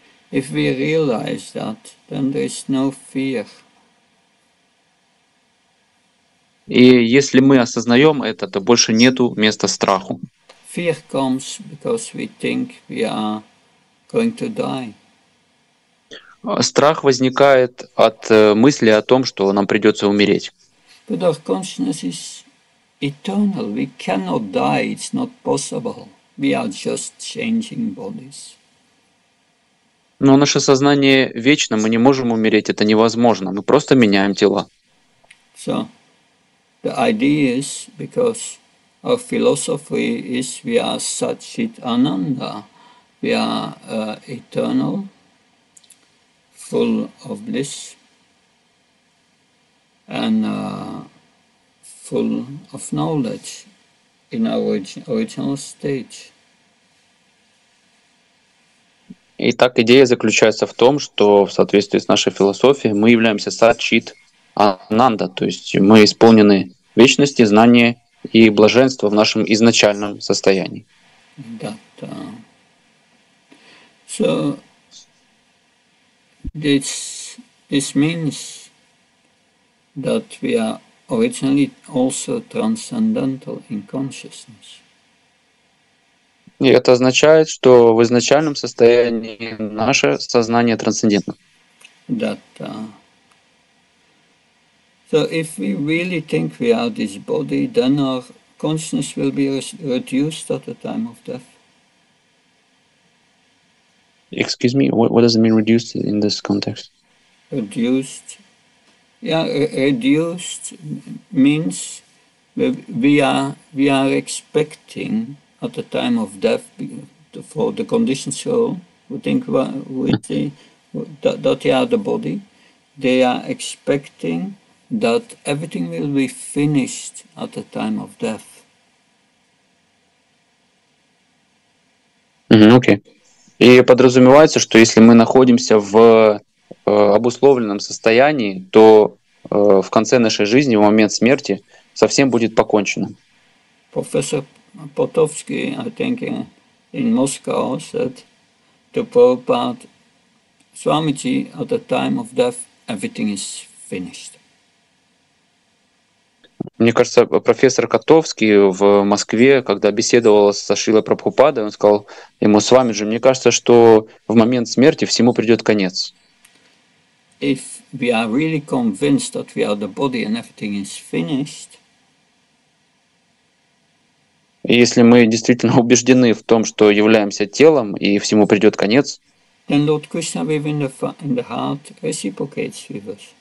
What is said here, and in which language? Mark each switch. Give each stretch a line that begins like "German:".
English: If we realize that, then there is no fear.
Russian: И если мы осознаем это, то больше нету места страху.
English: Fear comes because we think we are going to die.
Russian: Страх возникает от мысли о том, что нам придется умереть.
English: But our consciousness is eternal. We cannot die. It's not possible. We are just changing bodies.
Russian: Но наше сознание вечно. Мы не можем умереть. Это невозможно. Мы просто меняем тела.
English: So, the idea is because our philosophy is we are Satchit Ananda, we are eternal, full of bliss, and full of knowledge in our original state.
Russian: Итак, идея заключается в том, что в соответствии с нашей философией мы являемся сат-чит ананда, то есть мы исполнены вечности, знания и блаженства в нашем изначальном состоянии. Да, да.
English: So this means that we are originally also transcendental in consciousness.
Russian: И это означает, что в изначальном состоянии наше сознание трансцендентно.
English: That, so if we really think we are this body, then our consciousness will be reduced at the time of death. Excuse me, what does it mean reduced in this context? Reduced. Reduced means we are expecting at the time of death for the conditioned soul, who think that they are the body, they are expecting that everything will be finished at the time of death. Okay.
Russian: И подразумевается, что если мы находимся в обусловленном состоянии, то в конце нашей жизни, в момент смерти, совсем будет покончено.
English: Professor Potofsky, I think, in Moscow said to Prabhupada, Swamiji, at the time of death, everything is finished.
Russian: Мне кажется, профессор Котовский в Москве, когда беседовал со Шрилой Прабхупадой, он сказал ему: «Свамиджи, мне кажется, что в момент смерти всему придет конец».
English: If we are really convinced that we are the body and everything is finished,
Russian: если мы действительно убеждены в том, что являемся телом и всему придет конец,
English: then Lord Krishna within the heart reciprocates with us.